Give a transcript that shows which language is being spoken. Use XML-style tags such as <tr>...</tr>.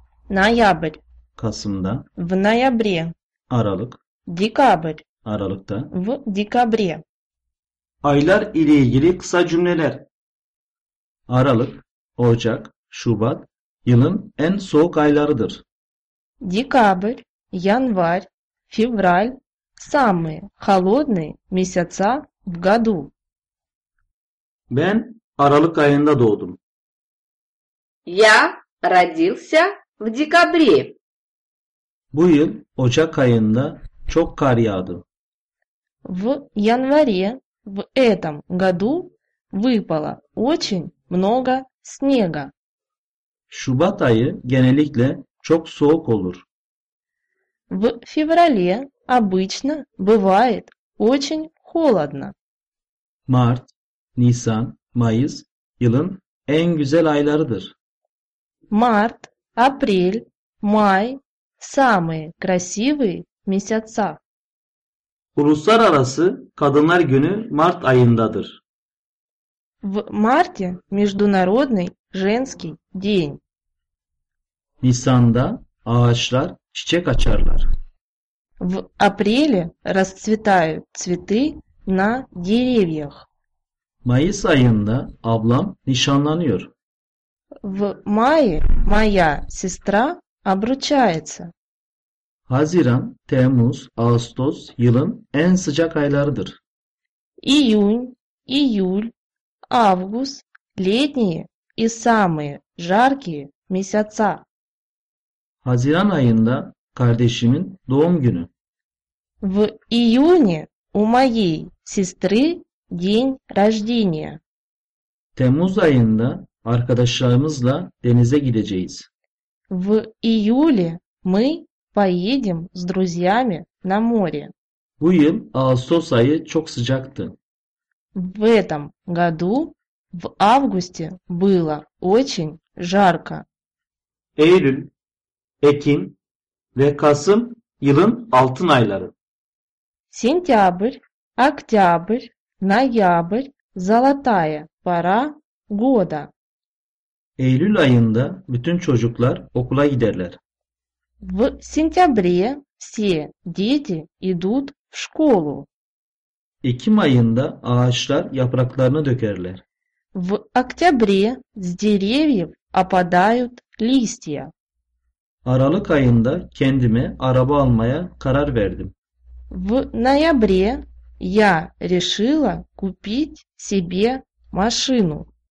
<ru>Ноябрь.</ru> <tr>Kasım'da.</tr> <ru>В ноябре.</ru> <tr>Aralık.</tr> <ru>Декабрь.</ru> <tr>Aralık'ta.</tr> <ru>В декабре.</ru> <tr>Aylar ile ilgili kısa cümleler. Aralık, Ocak, Şubat yılın en soğuk aylarıdır.</tr> <ru>Декабрь, январь, февраль самые холодные месяца в году.</ru> <tr>Ben Aralık ayında doğdum.</tr> <ru>Я родился в декабре.</ru> <tr>Bu yıl Ocak ayında çok kar yağdı.</tr> <ru>В январе в этом году выпало очень много снега.</ru> <tr>Şubat ayı genellikle çok soğuk olur.</tr> <ru>В феврале обычно бывает очень холодно.</ru> <tr>Mart, Nisan, Mayıs yılın en güzel aylarıdır.</tr> <ru>Март, апрель, май – самые красивые месяца.</ru> <tr>Uluslararası Kadınlar Günü Mart ayındadır.</tr> <ru>В марте – международный женский день.</ru> <tr>Nisan'da ağaçlar çiçek açarlar.</tr> <ru>В апреле расцветают цветы на деревьях.</ru> <tr>Mayıs ayında ablam nişanlanıyor.</tr> <ru>В мае моя сестра обручается.</ru> <tr>Haziran, Temmuz, Ağustos yılın en sıcak aylarıdır.</tr> <ru>İyunь, июль, август – летние и самые жаркие месяца.</ru> <tr>Haziran ayında kardeşimin doğum günü.</tr> <ru>В июне у моей сестры день рождения.</ru> <tr>Temmuz ayında arkadaşlarımızla denize gideceğiz.</tr> <ru>В июле мы поедем с друзьями на море.</ru> <tr>Bu yıl Ağustos ayı çok sıcaktı.</tr> <ru>В этом году в августе было очень жарко.</ru> <tr>Eylül, Ekim ve Kasım yılın altın ayları.</tr> <ru>Сентябрь, октябрь, ноябрь – золотая пора года.</ru> <tr>Eylül ayında bütün çocuklar okula giderler.</tr> <ru>В сентябре все дети идут в школу.</ru> <tr>Ekim ayında ağaçlar yapraklarını dökerler.</tr> <ru>В октябре с деревьев опадают листья.</ru> <tr>Aralık ayında kendime araba almaya karar verdim.</tr> <ru>В ноябре я решила купить себе машину.</ru>